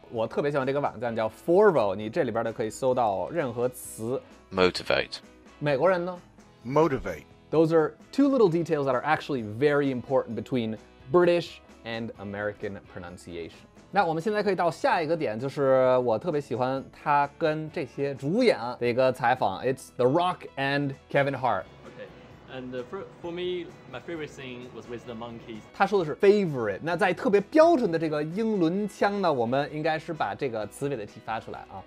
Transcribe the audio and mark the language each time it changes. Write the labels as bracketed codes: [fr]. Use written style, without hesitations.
[zh] 我特别喜欢这个网站叫 Forvo， 你这里边的可以搜到任何词 [en] motivate。 [zh] 美国人呢 [en] motivate。 Those are two little details that are actually very important between British and American pronunciation. [zh] 那我们现在可以到下一个点，就是我特别喜欢他跟这些主演的一个采访。 [en] It's The Rock and Kevin Hart. Okay, and for me, my favorite thing was with the monkeys. [zh] 他说的是 favorite. 那在特别标准的这个英伦腔呢，我们应该是把这个词尾的 T 发出来啊。